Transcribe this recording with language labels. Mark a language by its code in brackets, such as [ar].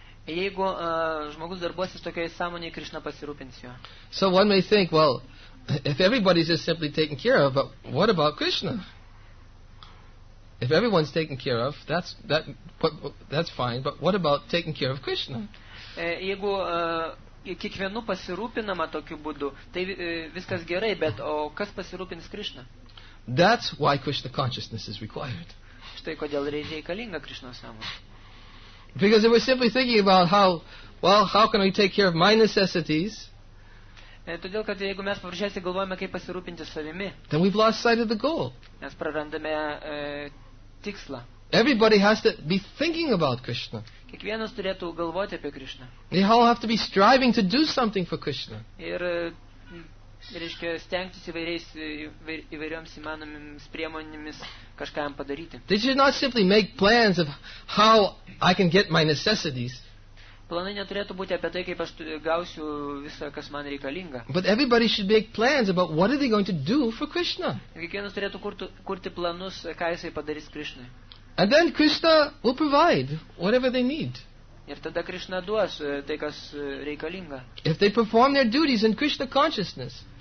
[lt] Jeigu žmogus darbuosis tokioje sąmonėje, Krishna pasirūpins juo. [en] So one may think, well, if everybody is just simply taken care of, but what about Krishna? If everyone's taken care of, that's fine, but what about taking care of Krishna? [lt] Jeigu kiekvienu pasirūpinama tokiu būdu, tai viskas gerai, bet o kas pasirūpins Krishna? [en] That's why Krishna consciousness is required. [lt] Štai kodėl reikalinga Krishna sąmonė. [en] Because if we're simply thinking about how can we take care of my necessities? [lt] Todėl, kad jeigu mes paprasčiausiai galvojame, kaip pasirūpinti savimi, [en] then we've lost sight of the goal. [lt] Mes prarandame tikslą. [en] Everybody has to be thinking about Krishna. [lt] Kiekvienas turėtų galvoti apie Krishna. [en] We all have to be striving to do something for Krishna. [lt] Ir reiškia stengtis įvairioms įmanomomis priemonėmis kažką jam padaryti. [en] They should not simply make plans of how I can get my necessities. [lt] Planai neturėtų būti apie tai, kaip aš gausiu visą, kas man reikalinga. [en] But everybody should make plans about what are they going to do for Krishna. [lt] Kiekvienas turėtų kurti planus, ką jisai padarys Krishnai. [en] And then Krishna will provide whatever they need. [lt] Ir tada Krishna duos tai, kas reikalinga. [en] If they perform their duties in Krishna consciousness.